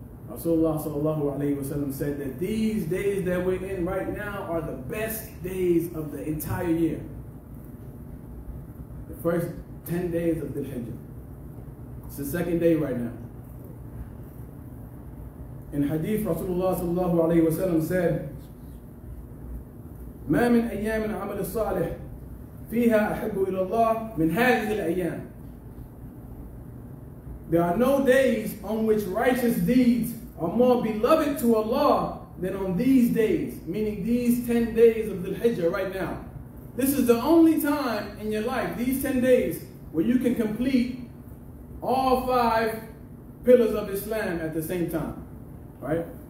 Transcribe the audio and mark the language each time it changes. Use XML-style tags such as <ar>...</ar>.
<en>Rasulullah sallallahu alayhi wa sallam said that these days that we're in right now are the best days of the entire year. The first 10 days of Dhul Hijjah. It's the second day right now. In hadith, Rasulullah sallallahu alayhi wa sallam said,</en> <ar>مَا مِنْ أَيَّامٍ عَمَلِ الصَّالِحِ فِيهَا أَحِبُّ إِلَى اللَّهِ مِنْ هَذِهِ الْأَيَّامِ.</ar> <en>There are no days on which righteous deeds are more beloved to Allah than on these days, meaning these 10 days of Dhul-Hijjah right now. This is the only time in your life, these 10 days, where you can complete all five pillars of Islam at the same time, right?</en>